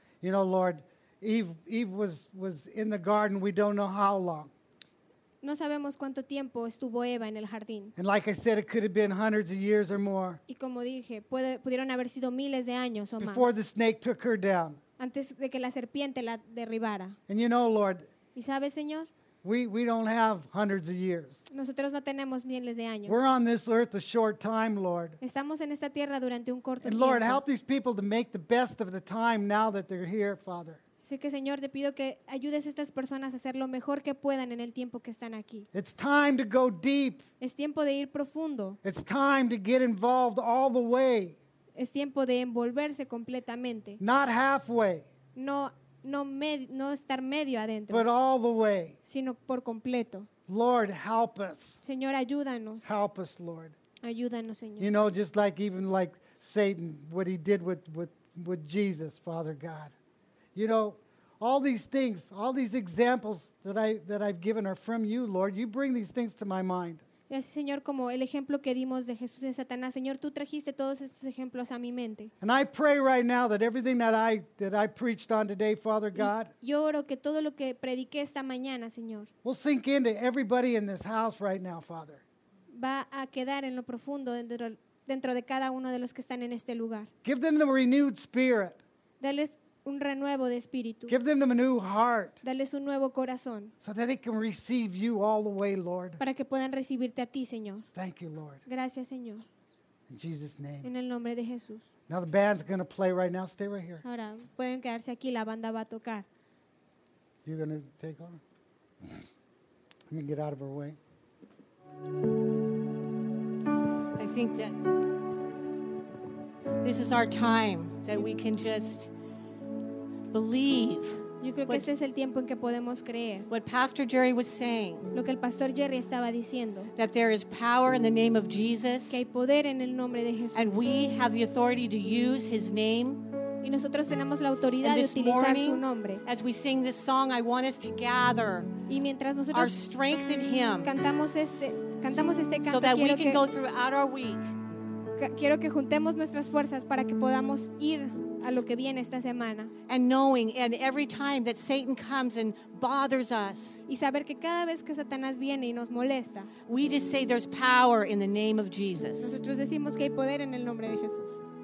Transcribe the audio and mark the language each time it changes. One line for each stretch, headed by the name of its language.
English: You know, Lord, Eve was in the garden, we don't know how long.
Spanish: No sabemos cuánto tiempo estuvo Eva en el jardín.
English: And like I said, it could have been hundreds of years or more.
Spanish: Y como dije, pudieron haber sido miles de años o más.
English: Before the snake took her down.
Spanish: Antes de que la serpiente la derribara.
English: And you know, Lord,
Spanish: ¿y sabes, Señor?
English: We don't have hundreds of years.
Spanish: Nosotros no tenemos miles de años.
English: We're on this earth a short time, Lord.
Spanish: Estamos en esta tierra durante un corto
English: and
Spanish: tiempo.
English: Lord, help these people to make the best of the time now that they're here, Father.
Spanish: Así que, Señor, te pido que ayudes a estas personas a hacer lo mejor que puedan en el tiempo que están aquí.
English: It's time to go deep.
Spanish: Es tiempo de ir profundo.
English: It's time to get involved all the way.
Spanish: Es tiempo de envolverse completamente.
English: Not halfway.
Spanish: No estar medio adentro.
English: But all the way.
Spanish: Sino por completo.
English: Lord, help us.
Spanish: Señor, ayúdanos.
English: Help us, Lord.
Spanish: Ayúdanos, Señor.
English: You know, just like even like Satan, what he did with Jesus, Father God. You know, all these things, all these examples that I've given are from you, Lord. You bring these things to my mind.
Spanish: Y así, Señor, como el ejemplo que dimos de Jesús en Satanás, Señor, tú trajiste todos estos ejemplos a mi mente.
English: And I pray right now that everything that I preached on today, Father God,
Spanish: yo oro que todo lo que prediqué esta mañana, Señor,
English: will sink into everybody in this house right now, Father.
Spanish: Va a quedar en lo profundo dentro de cada uno de los que están en este lugar.
English: Give them a renewed spirit.
Spanish: Dales un renuevo de espíritu.
English: Give them a new heart.
Spanish: Dales un nuevo corazón.
English: So that they can receive you all the way, Lord.
Spanish: Para que puedan recibirte a ti, Señor.
English: Thank you, Lord.
Spanish: Gracias, Señor.
English: In Jesus' name.
Spanish: En el nombre de Jesús.
English: Now the band's going to play right now. Stay right here.
Spanish: Ahora pueden quedarse aquí. La banda va a tocar.
English: You're going to take over? Let me get out of her way. I think that this is our time that we can just believe.
Spanish: Yo creo que este es el tiempo en que podemos creer.
English: What Pastor Jerry was saying.
Spanish: Lo que el Pastor Jerry estaba diciendo.
English: That there is power in the name of Jesus.
Spanish: Que hay poder en el nombre de Jesús.
English: And we have the authority to use his name.
Spanish: Y y nosotros tenemos la autoridad de utilizar
English: morning,
Spanish: su nombre.
English: As we sing this song, I want us to gather
Spanish: y mientras nosotros
English: our strength in him.
Spanish: Cantamos este canto
English: so that we can go throughout our week.
Spanish: Quiero que juntemos nuestras fuerzas para que podamos ir a lo que viene esta semana.
English: And knowing and every time that Satan comes and bothers us.
Spanish: Y saber que cada vez que Satanás viene y nos molesta.
English: We just say there's power in the name of Jesus.
Spanish: Nosotros decimos que hay poder en el nombre de Jesús.